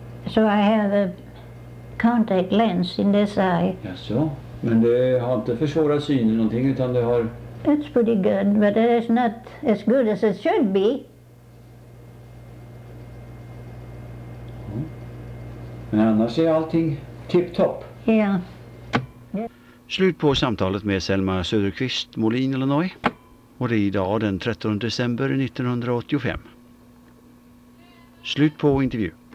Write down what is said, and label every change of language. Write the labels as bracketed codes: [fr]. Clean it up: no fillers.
[en] So I have a contact lens in this eye. Yes, so. [sv] Men det har inte försvårat synen någonting utan det har... [en] It's pretty good, but it is not as good as it should be. [sv] Men annars är allting tipptopp. Ja. [en] Yeah. [sv] Slut på samtalet med Selma Söderqvist, Molin, Illinois. Och det är idag den 13 december 1985. Slut på intervju.